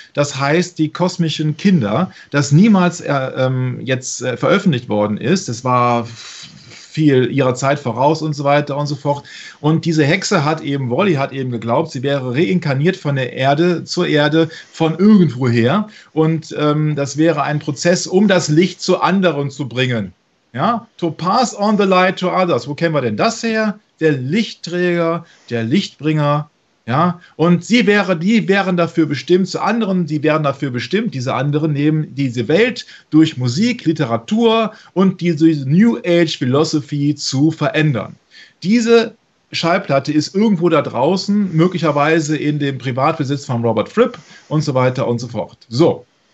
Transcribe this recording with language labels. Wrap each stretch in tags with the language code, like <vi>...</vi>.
<de>Das heißt, die kosmischen Kinder, das niemals jetzt veröffentlicht worden ist. Das war viel ihrer Zeit voraus und so weiter und so fort. Und diese Hexe hat eben, Wally hat eben geglaubt, sie wäre reinkarniert von der Erde zur Erde von irgendwoher. Und das wäre ein Prozess, um das Licht zu anderen zu bringen.</de> <en>Ja, to pass on the light to others.</en> <de>Wo kennen wir denn das her? Der Lichtträger, der Lichtbringer. Ja, und die wären dafür bestimmt, zu anderen, die wären dafür bestimmt, diese anderen nehmen diese Welt durch Musik, Literatur und diese New Age Philosophy zu verändern. Diese Schallplatte ist irgendwo da draußen, möglicherweise in dem Privatbesitz von Robert Fripp und so weiter und so fort. So.</de>